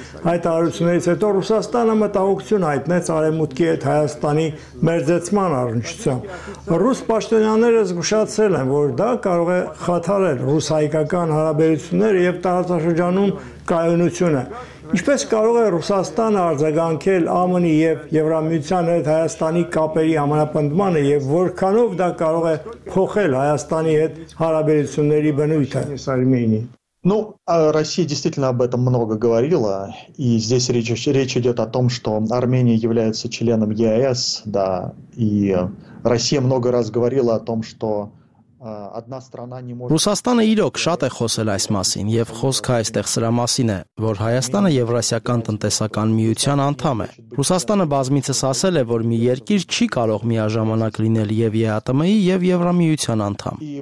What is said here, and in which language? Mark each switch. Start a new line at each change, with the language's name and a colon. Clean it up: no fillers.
Armenian: հայտարարություններից հետո Ռուսաստանը մտահոգություն հայտնեց արևմուտքի հետ Հայաստանի մերձեցման առնչությամբ։ Ռուս պաշտոնյաները զգուշացրել են, որ դա կարող է խաթարել ռուս-հայկական հարաբերությունները և տարածաշրջանում կայունությունը։ Ինչպես կարող է Ռուսաստանը արձագանքել ԱՄՆ-ի և Եվրամիության հետ Հայաստանի կապերի համապնդմանը և որքանով դա կարող է փոխել Հայաստանի հետ հարաբերությունների բնույթը։
Russian: Ну, Россия действительно об этом много говорила, и здесь речь идет о том, что Армения является членом ЕАЭС, да, и Россия много раз говорила о том, что
Armenian: Ռուսաստանը իրոք շատ է խոսել այս մասին, և խոսքը այստեղ սրա մասին է, որ Հայաստանը Եվրասիական տնտեսական միության անդամ է։ Ռուսաստանը բազմիցս ասել է, որ մի երկիր չի կարող միաժամանակ լինել և ԵԱՏՄ-ի, և Եվրամիության անդամ։